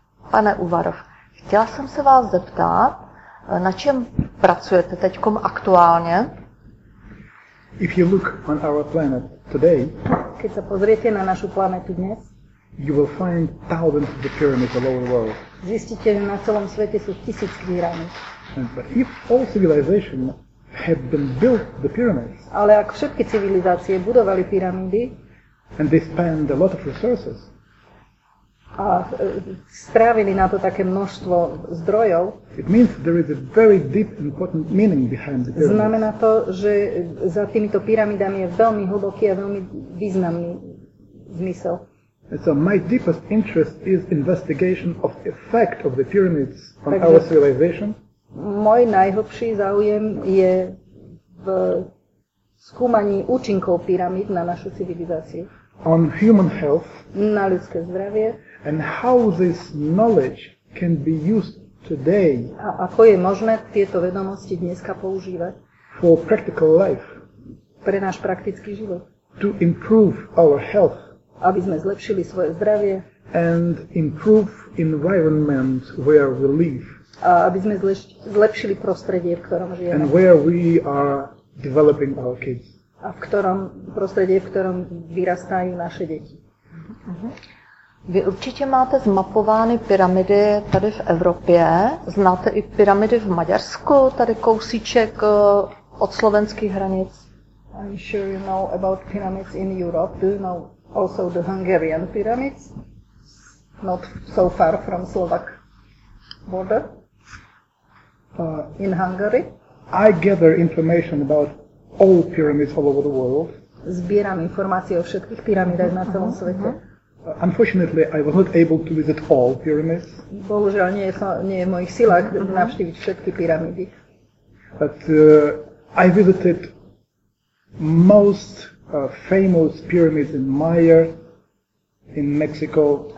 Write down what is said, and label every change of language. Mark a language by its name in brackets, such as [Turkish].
[Czech] Pane Uvarov, chtěla jsem se vás zeptat, na čem pracujete teď aktuálně? [English] If you look on our planet today, [Czech] když se podívejte na našu planetu dnes, [English] you will find thousands of the pyramids all over the world. [Czech] Zjistíte, že na celém světě jsou tisíce pyramid. [English] But if all civilization had been built the pyramids, [Czech] ale jak všechny civilizace budovaly pyramidy, [English] and they spend a lot of resources, [Slovak] a strávili na to také množstvo zdrojov. [English] It means there is a very deep important meaning behind the pyramids. [Slovak] Znamená to, že za týmito pyramidami je veľmi hlboký a veľmi významný zmysel. [English] And so my deepest interest is investigation of the effect of the pyramids on [Czech] takže [English] our civilization. [Slovak] Môj najhlbší záujem je v skúmaní účinkov pyramid na našu civilizáciu. [English] On human health. [Slovak] Na ľudské zdravie. [English] And how this knowledge can be used today? [Slovak] A ako je možné tieto vedomosti dneska používať? [English] For practical life. [Slovak] Pre náš praktický život. [English] To improve our health. [Slovak] Aby sme zlepšili svoje zdravie. [English] And improve environment where we live. [Slovak] A aby sme zlepšili prostredie, v ktorom žijeme. [English] And where we are developing our kids. [Slovak] A v ktorom prostredie, v ktorom vyrastajú naše deti. [Czech] Vy určitě máte zmapovány pyramidy tady v Evropě. Znáte i pyramidy v Maďarsku, tady kousíček od slovenských hranic. [English] I'm sure you know about pyramids in Europe. Do you know also the Hungarian pyramids? Not so far from Slovak border. In Hungary. I gather information about all pyramids all over the world. [Czech] Zbírám informace o všech pyramidách na celém světě. [English] Unfortunately, I was not able to visit all pyramids. [Slovak] Bohužiaľ, nie je v mojich silách navštíviť všetky pyramídy. [English] But I visited most famous pyramids in Maya in Mexico.